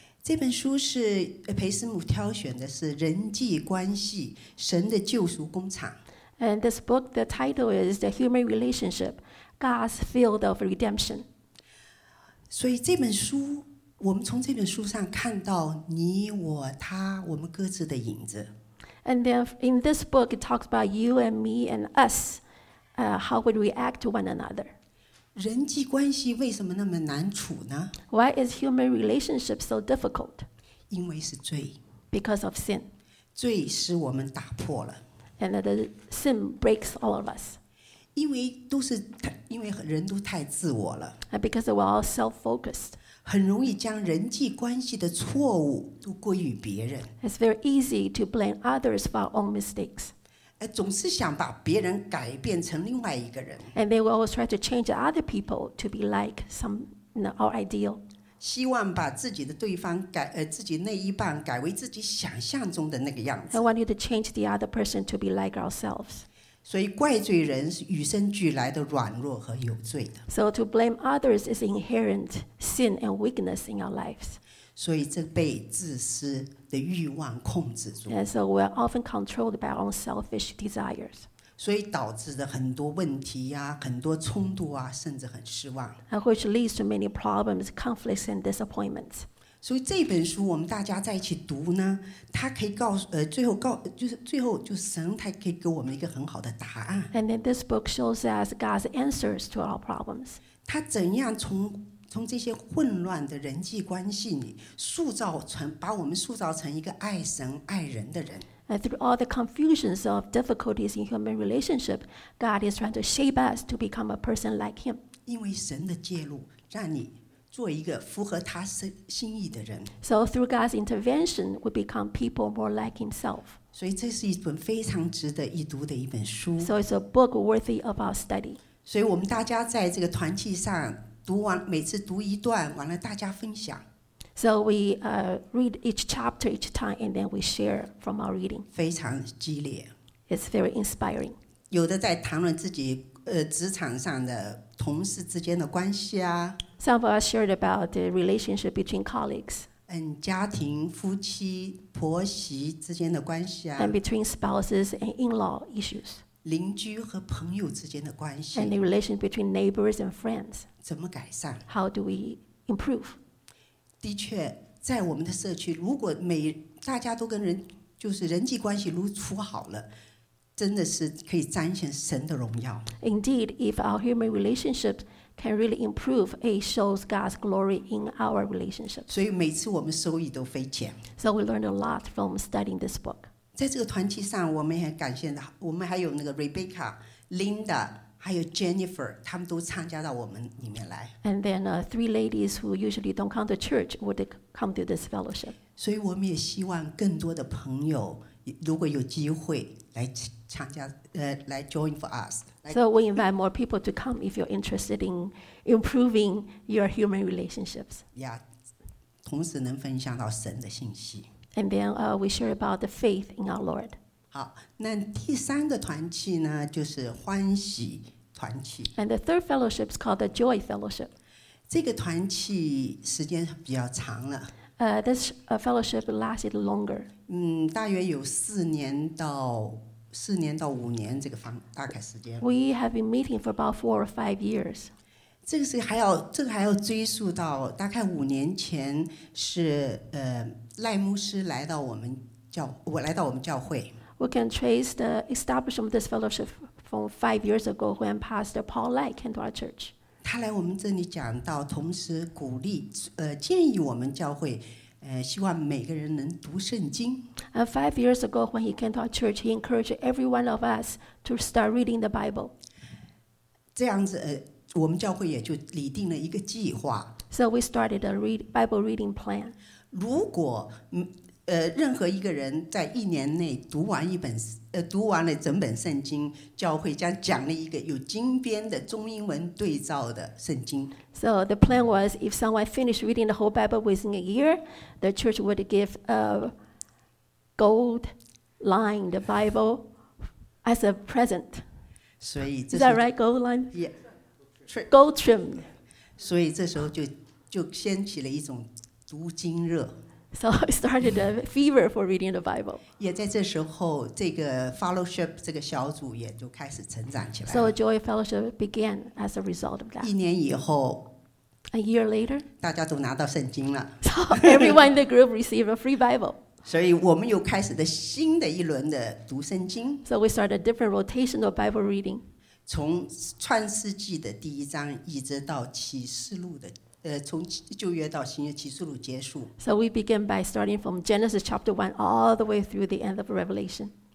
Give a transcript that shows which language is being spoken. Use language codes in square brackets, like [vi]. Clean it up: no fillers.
[zh] 这本书是裴斯姆挑选的，是人际关系，神的救赎工厂。 [en] And this book, the title is The Human Relationship. God's field of redemption. [zh] 所以这本书，我们从这本书上看到你我他，我们各自的影子。 [en] And then in this book, it talks about you and me and us. How would we act to one another? [zh] 人际关系为什么那么难处呢？ [en] Why is human relationship so difficult? [zh] 因为是罪。 [en] Because of sin. [zh] 罪使我们打破了。 [en] And the sin breaks all of us. [zh] 因为人都太自我了。 [en] And because we're all self-focused. [zh] 很容易将人际关系的错误都归于别人。 [en] It's very easy to blame others for our own mistakes. [zh] 总是想把别人改变成另外一个人。 [en] And they will always try to change other people to be like some, you know, our ideal. [zh] 希望把自己的对方改，自己那一半改为自己想象中的那个样子。 [en] I want you to change the other person to be like ourselves. [zh] 所以怪罪人是与生俱来的软弱和有罪的。 [en] So to blame others is inherent sin and weakness in our lives. [zh] 所以这被自私的欲望控制住。 [en] And so we're often controlled by our own selfish desires. [zh] 所以导致的很多问题呀、啊、很多冲突啊，甚至很失望。 [en] And which leads to many problems, conflicts, and disappointments. [zh] 所以这本书我们大家在一起读呢，它可以告诉最后就是神他可以给我们一个很好的答案。 [en] And then this book shows us God's answers to our problems. [zh] 他怎样从这些混乱的人际关系里塑造成把我们塑造成一个爱神爱人的人。 [en] And through all the confusions of difficulties in human relationship, God is trying to shape us to become a person like Him. [zh] 因为神的介入，让你。做一个符合他心意的人。 [en] So through God's intervention, we become people more like Himself. [zh] 所以这是一本非常值得一读的一本书。 [en] So it's a book worthy of our study. [zh] 所以我们大家在这个团契上读完，每次读一段，完了大家分享。 [en] So we read each chapter each time, and then we share from our reading. [zh] 非常激烈。 [en] It's very inspiring. [zh] 有的在谈论自己职场上的同事之间的关系啊。 [en] Some of us shared about the relationship between colleagues. And [zh] 家庭、夫妻、婆媳之间的关系啊。 [en] And between spouses and in-law issues. [zh] 邻居和朋友之间的关系。 [en] And the relation between neighbors and friends. [zh] 怎么改善？ [en] How do we improve? [zh] 的确，在我们的社区，如果每大家都跟人就是人际关系如处好了。真的是可以彰显神的荣耀。 [en] Indeed, if our human relationship can really improve, it shows God's glory in our relationship. [zh] 所以每次我们收益都匪浅。 [en] So we learned a lot from studying this book. [zh] 在这个团契上，我们也感谢我们还有那个 Rebecca、Linda 还有 Jennifer， 他们都参加到我们里面来。 [en] And then three ladies who usually don't come to church would come to this fellowship. [zh] 所以我们也希望更多的朋友。如果有机会来参加，来 [en] join for us. So we invite more people to come if you're interested in improving your human relationships. Yeah, [zh] 同时能分享到神的信息。 [en] And then we share about the faith in our Lord. [zh] 好，那第三个团契呢，就是欢喜团契。 [en] And the third fellowship is called the Joy Fellowship. [zh] 这个团契时间比较长了。 [en] This fellowship lasted longer. [zh] 大约有四年到五年这个方大概时间。 [en] We have been meeting for about 4 or 5 years. [zh] 这个还要追溯到大概五年前是赖牧师来到我们教，我来到我们教会。 [en] We can trace the establishment of this fellowship from 5 years ago when Pastor Paul Lai came to our church. [zh] 他来我们这里讲到，同时鼓励、建议我们教会、希望每个人能读圣经。 [en] 5 years ago, when he came to our church, he encouraged every one of us to start reading the Bible. [zh] 这样子、我们教会也就拟定了一个计划。 [en] So we started a Bible reading plan. [zh] 如果、任何一个人在一年内读完一本读完了整本圣经，教会将奖励一个有精编的中英文对照的圣经。 [en] So the plan was, if someone finished reading the whole Bible within a year, the church would give a gold-lined Bible as a present. [zh] 所以是 [en] that right? Gold-lined? Yeah. Gold-trimmed. [zh] 所以这时候就掀起了一种读经热。 [en] So I started a fever for reading the Bible. [zh] 也在这时候，这个 fellowship 这个小组也就开始成长起来。 [en] So Joy Fellowship began as a result of that. [zh] 一年以后 [en] ，A year later， [zh] 大家都拿到圣经了。 [en] So everyone in the group received a free Bible. [zh] 所以我们又开始的新的一轮的读圣经。 [en] So we started a different rotation of Bible reading. [zh] 从创世纪的第一章一直到启示录的，从旧约到新约启示录结束。 [en] So we began by starting from Genesis chapter 1 all the way through the end of Revelation.